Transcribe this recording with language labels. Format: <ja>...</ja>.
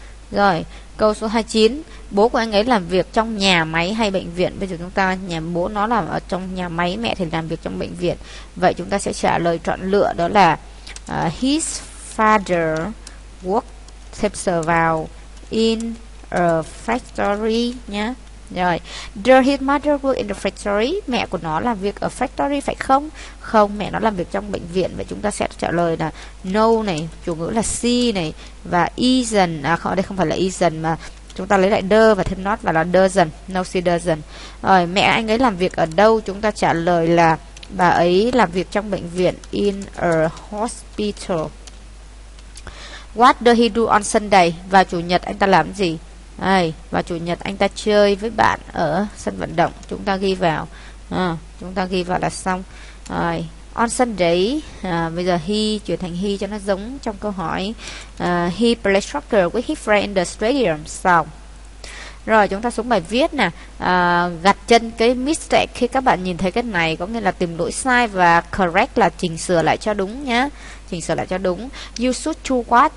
<vi>Rồi, câu số 29, bố của anh ấy làm việc trong nhà máy hay bệnh viện? Bây giờ chúng ta, nhà bố nó làm ở trong nhà máy, mẹ thì làm việc trong bệnh viện. Vậy chúng ta sẽ trả lời chọn lựa đó là</vi> <en>his father works,</en> <vi>thêm sờ vào,</vi> <en>in a factory</en> <vi>nhé.</vi> <en>Rồi, does his mother work in the factory?</en> <vi>Mẹ của nó làm việc ở factory phải không? Không, mẹ nó làm việc trong bệnh viện. Vậy chúng ta sẽ trả lời là no này, chủ ngữ là she này, và isn't, đây không phải là isn't mà chúng ta lấy lại the và thêm not là doesn't,</vi> <en>no she doesn't.</en> <vi>Rồi, mẹ anh ấy làm việc ở đâu? Chúng ta trả lời là bà ấy làm việc trong bệnh viện, in a hospital.</vi> <en>What does he do on Sunday?</en> <vi>Vào chủ nhật anh ta làm gì? Đây, và chủ nhật anh ta chơi với bạn ở sân vận động. Chúng ta ghi vào chúng ta ghi vào là xong. Rồi,</vi> <en>on Sunday,</en> <vi>bây giờ he chuyển thành he cho nó giống trong câu hỏi.</vi> <en>He plays soccer with his friend in the stadium.</en> <vi>Xong. Rồi, chúng ta xuống bài viết nè. Gạch chân cái mistake, khi các bạn nhìn thấy cái này có nghĩa là tìm lỗi sai, và correct là chỉnh sửa lại cho đúng nhá. Chỉnh sửa lại cho đúng.</vi> <en>You should to what?</en>